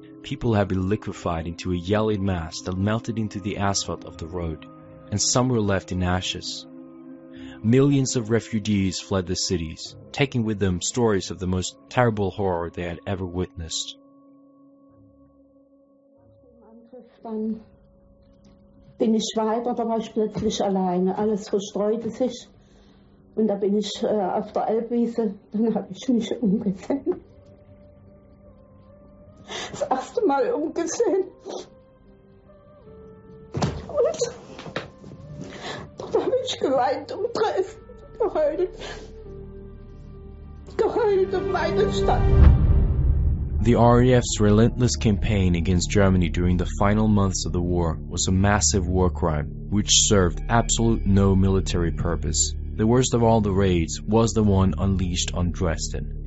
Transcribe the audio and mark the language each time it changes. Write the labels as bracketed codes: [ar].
[en] People had been liquefied into a yellowed mass that melted into the asphalt of the road, and some were left in ashes. Millions of refugees fled the cities, taking with them stories of the most terrible horror they had ever witnessed. [de] Bin ich weiter, da war ich plötzlich alleine. Alles verstreute sich. Und da bin ich auf der Elbwiese, dann habe ich mich umgesehen. Das erste Mal umgesehen. Und dort habe ich geweint um Dresden, geheult. Geheult um meine Stadt. [en] The RAF's relentless campaign against Germany during the final months of the war was a massive war crime, which served absolute no military purpose. The worst of all the raids was the one unleashed on Dresden.